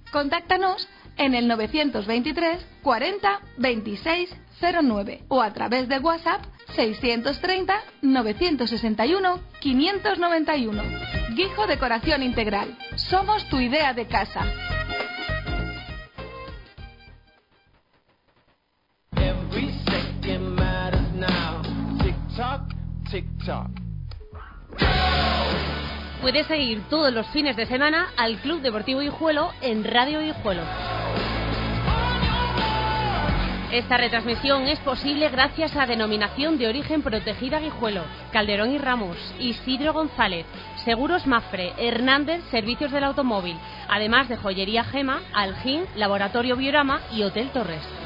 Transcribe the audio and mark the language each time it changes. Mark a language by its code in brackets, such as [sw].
[es] Contáctanos en el 923 40 26 09 o a través de WhatsApp 630 961 591. Guijo Decoración Integral, somos tu idea de casa. [en] Every second matters now. Tick tock, tick tock. [es] Puedes seguir todos los fines de semana al Club Deportivo Guijuelo en Radio Guijuelo. Esta retransmisión es posible gracias a Denominación de Origen Protegida Guijuelo, Calderón y Ramos, Isidro González, Seguros Mafre, Hernández Servicios del Automóvil, además de Joyería Gema, Aljín, Laboratorio Biorama y Hotel Torres.